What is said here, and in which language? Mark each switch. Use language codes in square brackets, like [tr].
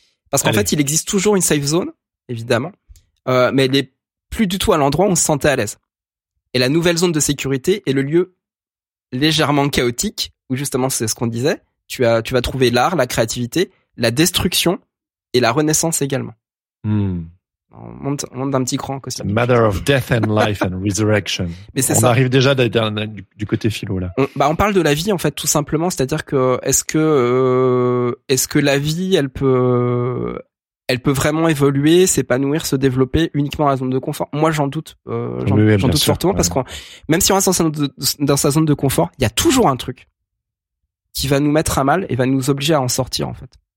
[fr] Parce qu'en fait, il existe toujours une safe zone, évidemment, mais elle est plus du tout à l'endroit où on se sentait à l'aise. Et la nouvelle zone de sécurité est le lieu légèrement chaotique, où justement, c'est ce qu'on disait, tu vas trouver l'art, la créativité, la destruction et la renaissance également. On monte d'un petit cran. [en] The matter of death and life and resurrection. [fr] Mais c'est ça. On arrive déjà du côté philo, là. On parle de la vie, en fait, tout simplement. C'est-à-dire que est-ce que la vie, elle peut vraiment évoluer, s'épanouir, se développer uniquement dans la zone de confort? Moi, j'en doute. J'en doute fortement. Parce que même si on reste dans sa zone de confort, il y a toujours un truc qui va nous mettre à mal et va nous obliger à en sortir, en fait.